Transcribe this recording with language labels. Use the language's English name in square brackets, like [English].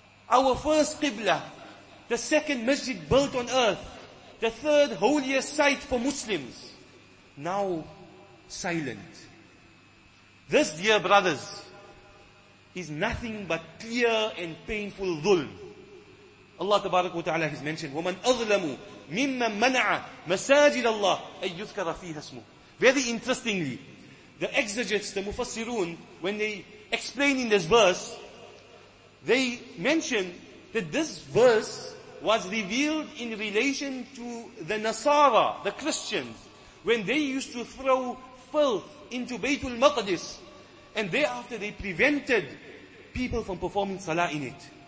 [English] Our first qibla, the second masjid built on earth, the third holiest site for Muslims, now silent. This, dear brothers, is nothing but clear and painful dhulm. Allah tabarak wa ta'ala has mentioned, [Arabic] وَمَنْ أَظْلَمُ مِمَّنْ مَنَعَ مَسَاجِدَ اللَّهِ أَن يُذْكَرَ فِيهَا اسْمُهُ. [English] Very interestingly, the exegetes, the mufassirun, when they explain in this verse, they mention that this verse was revealed in relation to the Nasara, the Christians, when they used to throw filth into Baytul Maqdis, and thereafter they prevented people from performing salah in it.